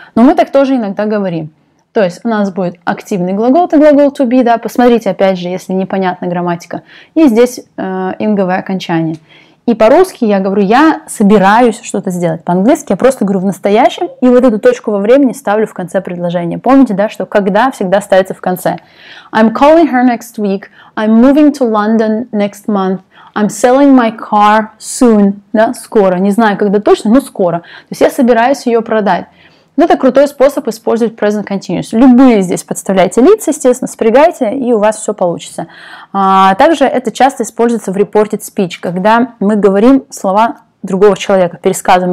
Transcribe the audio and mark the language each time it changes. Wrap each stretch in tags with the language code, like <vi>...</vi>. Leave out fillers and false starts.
<ru>Но мы так тоже иногда говорим. То есть у нас будет активный глагол, это глагол to be, да, посмотрите, опять же, если непонятна грамматика. И здесь инговое окончание. И по-русски я говорю, я собираюсь что-то сделать. По-английски я просто говорю в настоящем, и вот эту точку во времени ставлю в конце предложения. Помните, да, что когда всегда ставится в конце.</ru> <en>I'm calling her next week, I'm moving to London next month, I'm selling my car soon,</en> <ru>да, скоро. Не знаю, когда точно, но скоро. То есть я собираюсь ее продать. Это крутой способ использовать Present Continuous. Любые здесь подставляйте лица, естественно, спрягайте, и у вас все получится. Также это часто используется в Reported Speech, когда мы говорим слова другого человека, пересказываем.</ru>